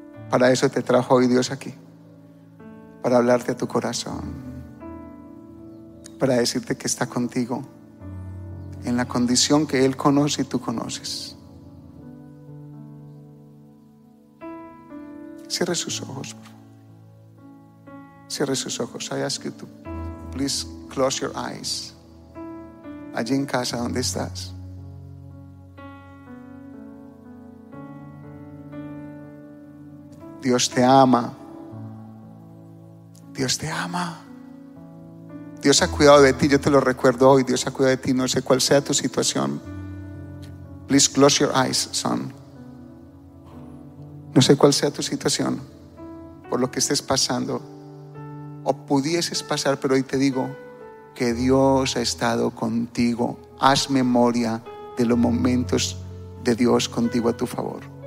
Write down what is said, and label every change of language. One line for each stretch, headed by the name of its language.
Spanish: Para eso te trajo hoy Dios aquí, para hablarte a tu corazón, para decirte que está contigo en la condición que Él conoce y tú conoces. Cierre sus ojos, por favor. Cierre sus ojos.
English: I ask you to please close your eyes.
Spanish: Allí en casa, donde estás. Dios te ama. Dios te ama. Dios ha cuidado de ti. Yo te lo recuerdo hoy. Dios ha cuidado de ti. No sé cuál sea tu situación.
English: Please close your eyes, son.
Spanish: No sé cuál sea tu situación, por lo que estés pasando o pudieses pasar, pero hoy te digo que Dios ha estado contigo. Haz memoria de los momentos de Dios contigo a tu favor.